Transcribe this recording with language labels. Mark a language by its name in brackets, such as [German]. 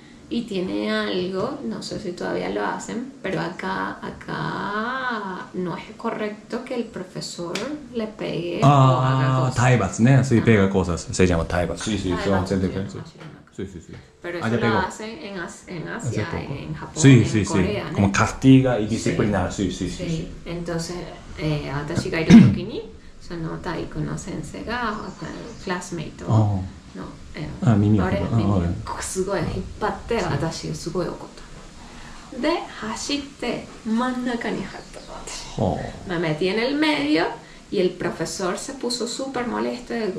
[Spanish] Y tiene algo, no sé si todavía lo hacen, pero acá no es correcto que el profesor le pegue o haga cosas. Taibas, ¿no? Sí, pega cosas. Se llama Taibas. Sí, sí, taibas, son sí, pero eso lo hacen en Asia, en Japón, sí, en Corea. Sí, ¿no? Como castiga y disciplina. Sí, sí, sí. Sí. Sí. Entonces, [Japanese] Atashi ga iru toki ni その体育の先生がクラスメイトの耳をすごい引っ張って、私すごい怒った。で走って真ん中に入った。 [Spanish] me metí en el medio y el profesor se puso súper molesto.